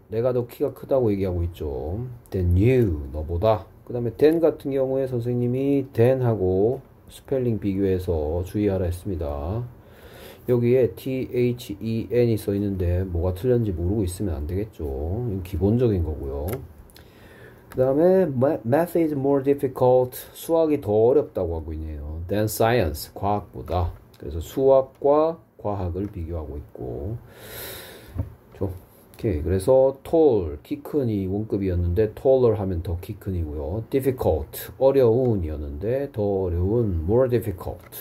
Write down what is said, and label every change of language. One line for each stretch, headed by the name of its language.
Korean: 내가 더 키가 크다고 얘기하고 있죠.
English: than you.
Korean: 너보다. 그 다음에 than 같은 경우에 선생님이 than하고 스펠링 비교해서 주의하라 했습니다. 여기에 THEN이 써 있는데 뭐가 틀렸는지 모르고 있으면 안 되겠죠. 기본적인 거고요.
English: 그 다음에 math is more difficult.
Korean: 수학이 더 어렵다고 하고 있네요.
English: than science.
Korean: 과학보다. 그래서 수학과 과학을 비교하고 있고. 오케이. 그래서 tall, 키 크니 원급이었는데 taller 하면 더키 크니고요. difficult, 어려운이었는데 더 어려운, more difficult.